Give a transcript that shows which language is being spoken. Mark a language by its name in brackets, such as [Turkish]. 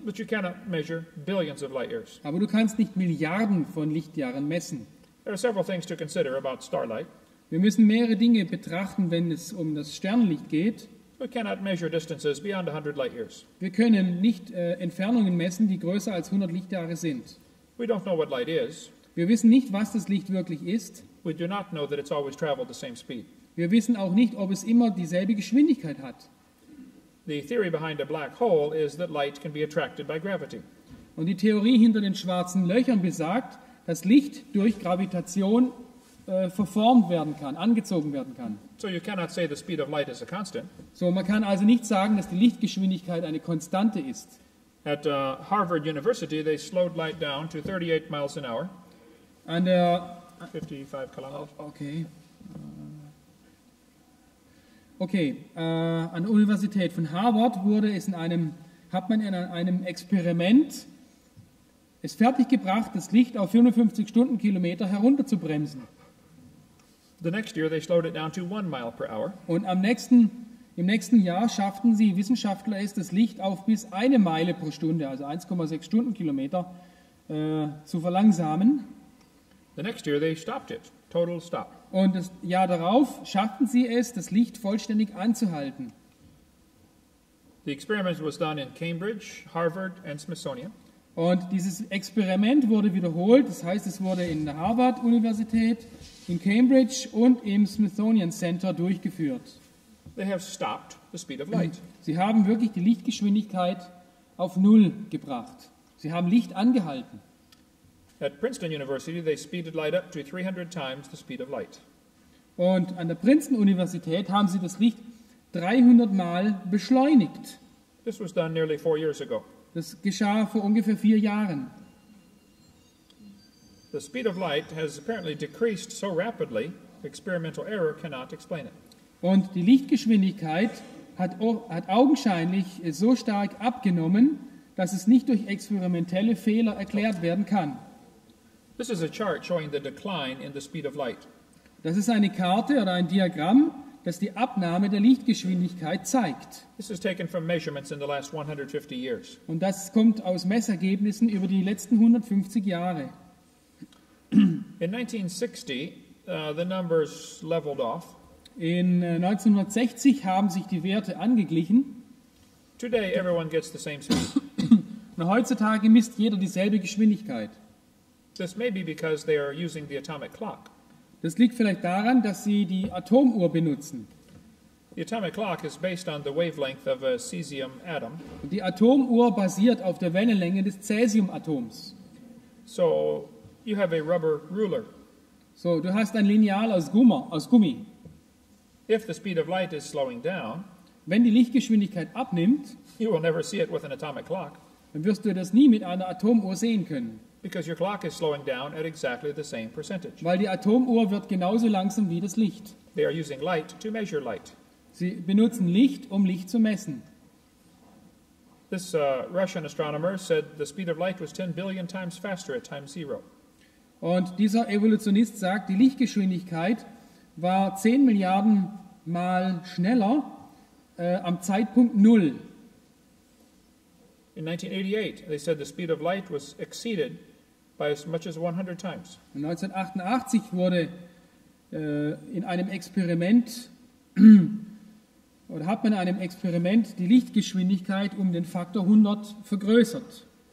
[English] But you cannot measure billions of light years. [German] Aber du kannst nicht Milliarden von Lichtjahren messen. [English] There are several things to consider about starlight. [German] Wir müssen mehrere Dinge betrachten, wenn es um das Sternenlicht geht. [English] We cannot measure distances beyond 100 light years. [German] Wir können nicht Entfernungen messen, die größer als 100 Lichtjahre sind. [English] We don't know what light is. [German] Wir wissen nicht, was das Licht wirklich ist. [English] We do not know that it's always traveled the same speed. [German] Wir wissen auch nicht, ob es immer dieselbe Geschwindigkeit hat. [English] The theory behind a black hole is that light can be attracted by gravity. [German] Und die Theorie hinter den schwarzen Löchern besagt, dass Licht durch Gravitation verformt werden kann, angezogen werden kann. [English] So you cannot say the speed of light is a constant. [German] So man kann also nicht sagen, dass die Lichtgeschwindigkeit eine Konstante ist. [English] At Harvard University they slowed light down to 38 miles an hour. [German] An der [English] 55 kilometers. Okay. [German] Okay, an der Universität von Harvard hat man in einem Experiment es fertiggebracht, das Licht auf 450 Stundenkilometer herunterzubremsen. [English] The next year they slowed it down to 1 mile per hour. [German] Und im nächsten Jahr schafften sie Wissenschaftler es, das Licht auf bis eine Meile pro Stunde, also 1,6 Stundenkilometer, zu verlangsamen. [English] The next year they stopped it. Total stop. [German] Und das Jahr darauf schafften sie es, das Licht vollständig anzuhalten. [English] The experiment was done in Cambridge, Harvard and Smithsonian. [German] Und dieses Experiment wurde wiederholt, das heißt, es wurde in der Harvard-Universität, in Cambridge und im Smithsonian Center durchgeführt. [English] They have stopped the speed of light. [German] Sie haben wirklich die Lichtgeschwindigkeit auf Null gebracht. Sie haben Licht angehalten. [English] At Princeton University, they speeded light up to 300 times the speed of light. [German] Und an der Princeton-Universität haben sie das Licht 300 Mal beschleunigt. [English] This was done nearly 4 years ago. [German] Das geschah vor ungefähr 4 Jahren. [English] The speed of light has apparently decreased so rapidly, experimental error cannot explain it. [German] Und die Lichtgeschwindigkeit hat augenscheinlich so stark abgenommen, dass es nicht durch experimentelle Fehler erklärt werden kann. [English] This is a chart showing the decline in the speed of light. [German] Das ist eine Karte oder ein Diagramm, das die Abnahme der Lichtgeschwindigkeit zeigt. [English] This is taken from measurements in the last 150 years. [German] Und das kommt aus Messergebnissen über die letzten 150 Jahre. [English] In 1960, the numbers leveled off. [German] In 1960 haben sich die Werte angeglichen. [English] Today everyone gets the same speed. [German] Und heutzutage misst jeder dieselbe Geschwindigkeit. [English] This may be because they are using the atomic clock. [German] Das liegt vielleicht daran, dass sie die Atomuhr benutzen. [English] The atomic clock is based on the wavelength of a cesium atom. [German] Die Atomuhr basiert auf der Wellenlänge des Cäsiumatoms. [English] So you have a rubber ruler. [German] So du hast ein Lineal aus Gummi. [English] If the speed of light is slowing down, [German] wenn die Lichtgeschwindigkeit abnimmt, [English] you will never see it with an atomic clock. [German] Dann wirst du das nie mit einer Atomuhr sehen können. [English] Because your clock is slowing down at exactly the same percentage. [German] Weil die Atomuhr wird genauso langsam wie das Licht. [English] They are using light to measure light. [German] Sie benutzen Licht, um Licht zu messen. [English] This Russian astronomer said the speed of light was 10 billion times faster at time zero. [German] Und dieser Evolutionist sagt, die Lichtgeschwindigkeit war 10 Milliarden Mal schneller am Zeitpunkt Null. [English] In 1988, they said the speed of light was exceeded by as much as 100 times. [German] In 1988 wurde in einem Experiment oder hat man in einem Experiment die Lichtgeschwindigkeit um den Faktor 100 vergrößert.